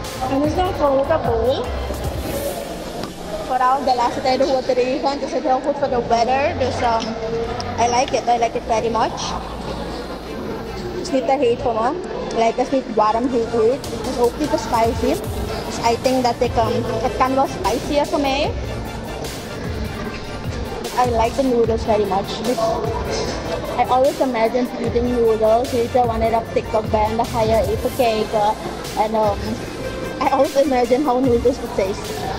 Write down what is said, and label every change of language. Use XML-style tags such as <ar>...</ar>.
<nl>En dit is een grote bowl. Vooral de laatste tijd hoe het regent, is het heel goed voor de weather. Dus</nl> <en>I like it very much.</en> <nl>Het is niet te heet voor me. Het is niet warm heet. Het is ook niet te spicy. Dus</nl> <en>I think</en> <nl>dat ik het kan wel spicier voor mij.</nl> <en>I like the noodles very much. I always imagine eating noodles.</en> <nl>Weet je, wanneer op TikTok ben, dan ga je even kijken. En</nl> <en>I always imagine how noodles would taste.</en>